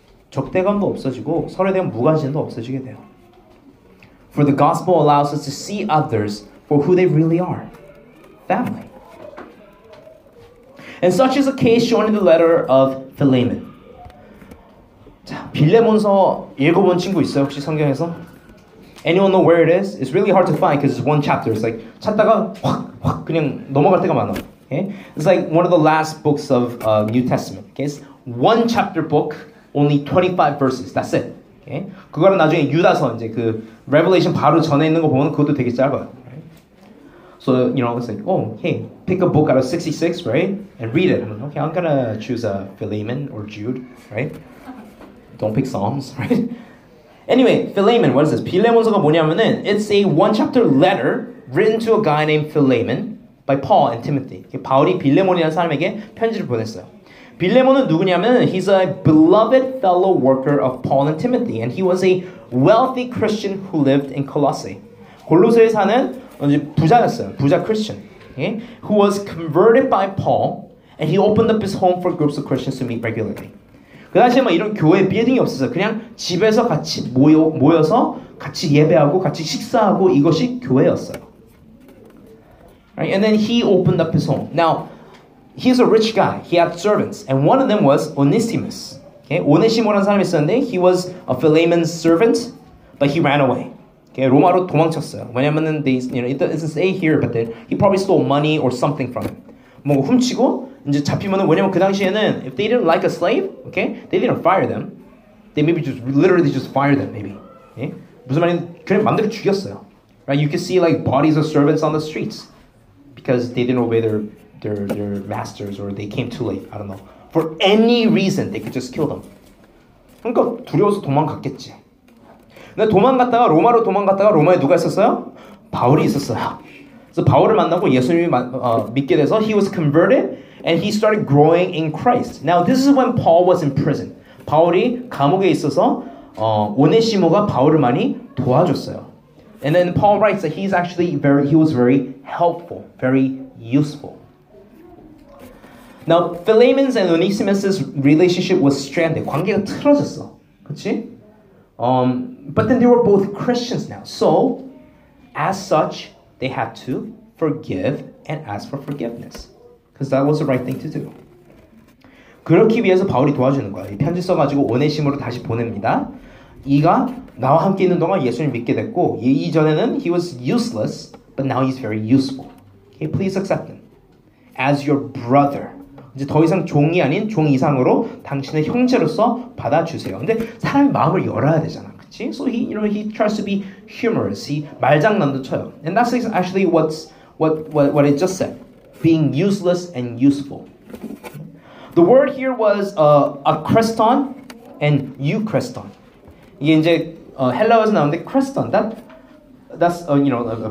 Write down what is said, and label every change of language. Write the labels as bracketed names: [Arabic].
[Korean] 적대감도 없어지고 서로에 대한 무관심도 없어지게 돼요. [English] For the gospel allows us to see others for who they really are. Family. And such is the case shown in the letter of Philemon. [Korean] 자, 빌레몬서 읽어본 친구 있어요? 혹시 성경에서? [English] Anyone know where it is? It's really hard to find because it's one chapter. It's like [Korean] 찾다가 확확 그냥 넘어갈 때가 많아. [English] Okay? It's like one of the last books of New Testament. Okay? It's one chapter book, only 25 verses. That's it. Okay? [Korean] 그거를 나중에 유다서 이제 그 Revelation 바로 전에 있는 거 보면 그것도 되게 짧아. [English] So, you know, it's like, oh, hey, pick a book out of 66, right? And read it. I'm like, okay, I'm gonna choose Philemon or Jude, right? Don't pick Psalms, right? Anyway, Philemon, what is this? [Korean] 빌레몬서가 뭐냐면은, [English] it's a one-chapter letter written to a guy named Philemon by Paul and Timothy. [Korean] 바울이 빌레몬이라는 사람에게 편지를 보냈어요. 빌레몬은 누구냐면은, [English] he's a beloved fellow worker of Paul and Timothy, and he was a wealthy Christian who lived in Colossae. [Korean] 골로새에 사는 부자였어요. 부자 크리스천. [English] Okay? Who was converted by Paul, and he opened up his home for groups of Christians to meet regularly. [Korean] 그 당시에 막 이런 교회 빌딩이 없었어요. 그냥 집에서 같이 모여서 같이 예배하고 같이 식사하고 이것이 교회였어요. [English] Right? And then he opened up his home. Now, he's a rich guy. He had servants. And one of them was Onesimus. Okay? [Korean] 오네시모라는 사람이 있었는데 [English] he was a Philemon's servant, but he ran away. [Korean] 로마로 도망쳤어요. 왜냐면은 [English] they, you know, it doesn't say here, but then he probably stole money or something from him. [Korean] 뭐 훔치고 이제 잡히면은 왜냐면 그 당시에는 [English] if they didn't like a slave, okay, they didn't fire them. They maybe just literally just fire them, maybe. Okay? [Korean] 무슨 말인지 그냥 마음대로 죽였어요. [English] Right? You can see like bodies of servants on the streets because they didn't obey their masters or they came too late. I don't know. For any reason, they could just kill them. [Korean] 그러니까 두려워서 도망갔겠지. 근데 도망갔다가 로마로 도망갔다가 로마에 누가 있었어요? 바울이 있었어요. 그래서 바울을 만나고 예수님을 믿게 돼서 [English] he was converted and he started growing in Christ. Now this is when Paul was in prison. [Korean] 바울이 감옥에 있어서 오네시모가 바울을 많이 도와줬어요. [English] And then Paul writes that he's actually very he was very helpful, very useful. Now Philemon's and Onesimus's relationship was stranded. [Korean] 관계가 틀어졌어. 그렇지? [English] But then they were both Christians now. So, as such, they had to forgive and ask for forgiveness. Because that was the right thing to do. [Korean] 그렇기 위해서 바울이 도와주는 거야. 이 편지 써가지고 오네시모로 다시 보냅니다. 이가 나와 함께 있는 동안 예수님 믿게 됐고 이전에는 [English] he was useless, but now he's very useful. Okay, please accept him as your brother. [Korean] 이제 더 이상 종이 아닌 종 이상으로 당신의 형제로서 받아주세요. 근데 사람이 마음을 열어야 되잖아. [English] So he, you know, he tries to be humorous. He [Korean] 말장난도 쳐요. [English] And that's actually what it just said. Being useless and useful. The word here was akreston and eukreston. [Korean] 이게 이제 헬라어에서 나오는데 kreston. [English] That's a